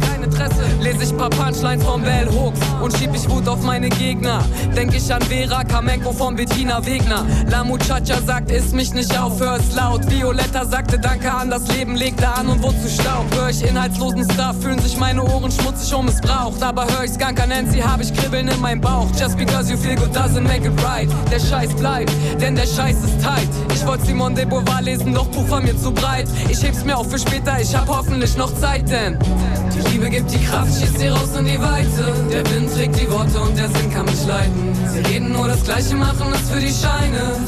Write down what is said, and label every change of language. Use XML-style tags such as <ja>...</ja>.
<de>Kein Interesse, lese ich paar Punchlines vom Bell Hooks. Und schieb ich Wut auf meine Gegner. Denk ich an Vera Kamenko von Bettina Wegner. La Muchacha sagt, iss mich nicht auf, hör's laut. Violetta sagte, danke an das Leben, legte an und wurde zu Staub. Hör ich inhaltslosen Stuff, fühlen sich meine Ohren schmutzig und missbraucht. Aber hör ich Skanka Nancy, hab ich Kribbeln in meinem Bauch.</de> <en>Just because you feel good doesn't make it right.</en> <de>Der Scheiß bleibt, denn der Scheiß ist tight. Ich wollte Simone de Beauvoir lesen, doch Buch war mir zu breit. Ich heb's mir auf für später, ich hab hoffentlich noch Zeit, denn die Liebe gibt die Kraft, schießt sie raus in die Weite. Der Wind trägt die Worte und der Sinn kann mich leiten. Sie reden nur das Gleiche, machen es für die Scheine.</de>